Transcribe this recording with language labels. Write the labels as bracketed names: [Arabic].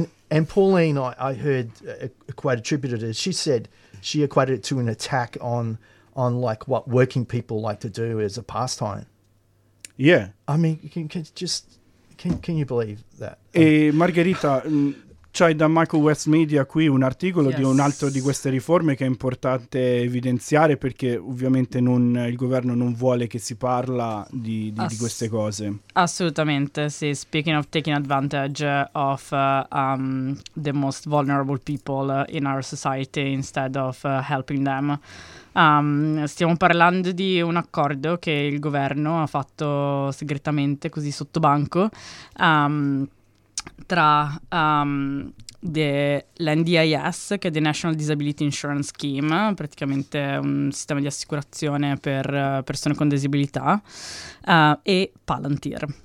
[English] And Pauline, I heard a quote attributed to it. She said she equated it to an attack on like what working people like to do as a pastime. Yeah. I mean, can you believe that? [Italian] Margherita, c'hai da Michael West Media qui un articolo di un altro di queste riforme che è importante evidenziare, perché ovviamente non il governo non vuole che si parla di queste cose. Assolutamente, sì. [English] Speaking of taking advantage of the most vulnerable people in our society instead of helping them. [Italian] Stiamo parlando di un accordo che il governo ha fatto segretamente, così sotto banco, tra l'NDIS, che è the National Disability Insurance Scheme, praticamente un sistema di assicurazione per persone con disabilità, e Palantir.